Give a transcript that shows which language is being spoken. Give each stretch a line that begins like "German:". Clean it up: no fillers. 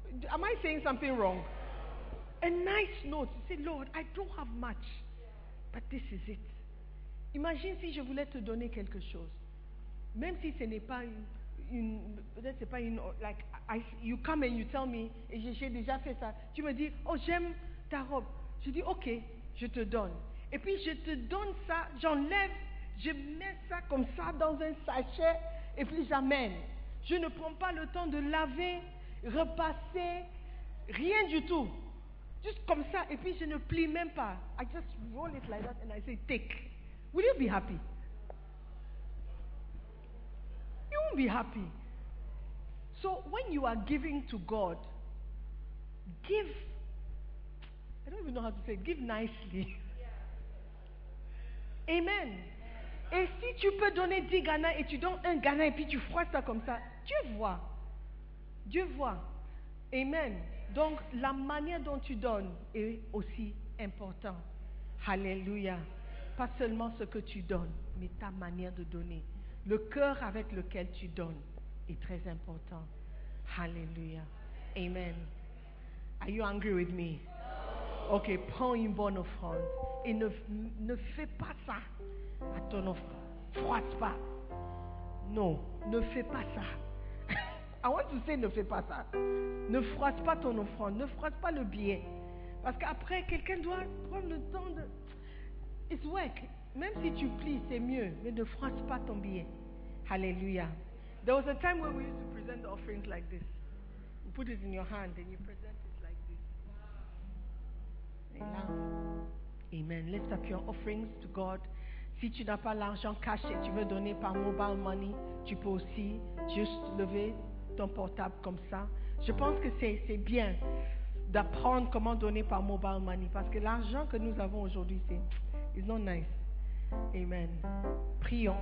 English: Am I saying something wrong? A nice note. Say, Lord, I don't have much, but this is it.
French: Imagine si je voulais te donner quelque chose, même si ce n'est pas peut-être c'est pas une
English: like I, you come and you tell me
French: et j'ai déjà fait ça. Tu me dis oh j'aime ta robe. Je dis ok je te donne. Et puis je te donne ça, j'enlève, je mets ça comme ça dans un sachet et puis j'amène. Je ne prends pas le temps de laver, repasser, rien du tout. Juste comme ça et puis je ne plie même pas.
English: I just roll it like that and I say take. Will you be happy? You won't be happy. So when you are giving to God, give, I don't even know how to say it, give nicely. Amen.
French: Et si tu peux donner 10 Ghana et tu donnes un Ghana et puis tu froisses ça comme ça, Dieu voit. Dieu voit. Amen. Donc la manière dont tu donnes est aussi importante. Alléluia. Pas seulement ce que tu donnes, mais ta manière de donner. Le cœur avec lequel tu donnes est très important. Alléluia. Amen.
English: Are you angry with me?
French: Ok, prends une bonne offrande. Et ne fais pas ça à ton offrande. Froisse pas. Non, ne fais pas ça.
English: I want to say,
French: ne fais pas ça. Ne froisse pas ton offrande. Ne froisse pas le billet. Parce qu'après, quelqu'un doit prendre le temps de...
English: It's work.
French: Même si tu plies, c'est mieux. Mais ne froisse pas ton billet. Alléluia.
English: There was a time when we used to present the offerings like this. You put it in your hand and you present it like this.
French: Et là...
English: Amen. Lift up your offerings to God.
French: Si tu n'as pas l'argent caché, tu veux donner par mobile money, tu peux aussi juste lever ton portable comme ça. Je pense que c'est bien d'apprendre comment donner par mobile money parce que l'argent que nous avons aujourd'hui,
English: it's not nice.
French: Amen. Prions.